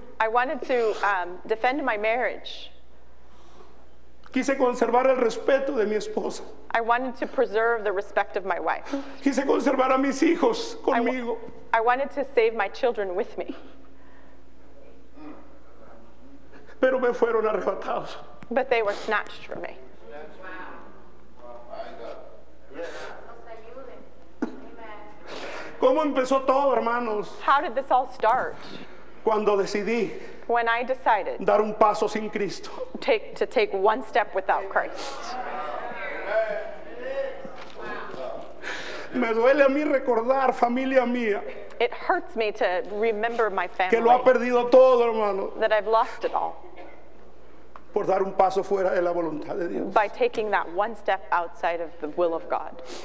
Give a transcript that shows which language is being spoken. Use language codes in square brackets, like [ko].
[en] I wanted to defend my marriage. [es] Quise conservar el respeto de mi esposa. [en] I wanted to preserve the respect of my wife. [es] Quise conservar a mis hijos conmigo. [en] I wanted to save my children with me. [es] Pero me fueron arrebatados. [en] But they were snatched from me. [es] ¿Cómo empezó todo, hermanos? [en] How did this all start? [es] Cuando decidí [en] when I decided [es] dar un paso sin Cristo. [en] To take one step without Christ. [es] Me duele a mí recordar familia mía. [en] It hurts me to remember my family. [es] Que lo ha perdido todo, hermano. [en] That I've lost it all. [es] Por dar un paso fuera de la voluntad de Dios. [en] By taking that one step outside of the will of God.